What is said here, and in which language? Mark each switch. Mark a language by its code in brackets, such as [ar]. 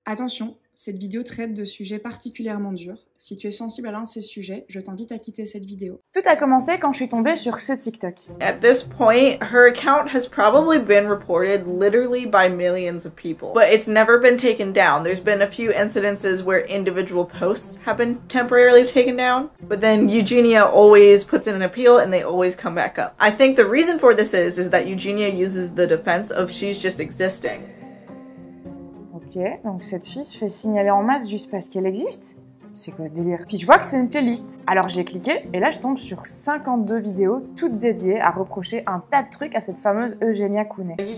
[fr] Attention, cette vidéo traite de sujets particulièrement durs. Si tu es sensible à l'un de ces sujets, je t'invite à quitter cette vidéo. Tout a commencé quand je suis tombée sur ce TikTok. [en] At this point, her account has probably been reported literally by millions of people. But it's never been taken down. There's been a few incidences where individual posts have been temporarily taken down. But then Eugenia always puts in an appeal and they always come back up. I think the reason for this is that Eugenia uses the defense of she's just existing. [fr] Ok, donc cette fille se fait signaler en masse juste parce qu'elle existe? C'est quoi ce délire? Puis je vois que c'est une playlist. Alors j'ai cliqué, et là je tombe sur 52 vidéos toutes dédiées à reprocher un tas de trucs à cette fameuse Eugenia Cooney.